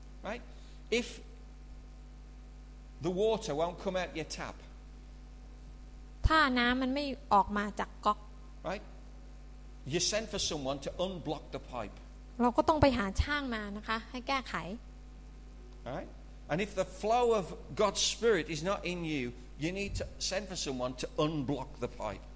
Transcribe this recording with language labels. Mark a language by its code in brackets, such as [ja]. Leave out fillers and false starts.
[en] Right If the water won't come out your tap [th] ถ้าน้ำมันไม่ออกมาจากก๊อก [en] Right You send for someone to unblock the pipe [th] เราก็ต้องไปหาช่างมานะคะให้แก้ไข [en] Right And if the flow of God's Spirit is not in you you need to send for someone to unblock the pipe